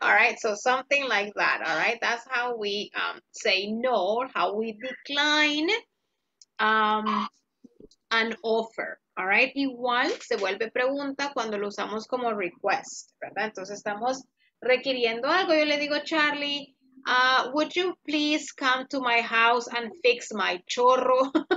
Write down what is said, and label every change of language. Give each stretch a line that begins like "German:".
English: All right, so something like that, all right? That's how we say no, how we decline an offer, all right?
Spanish: Igual se vuelve pregunta cuando lo usamos como request, ¿verdad? Entonces estamos requiriendo algo. Yo le digo,
English: Charlie, would you please come to my house and fix my chorro?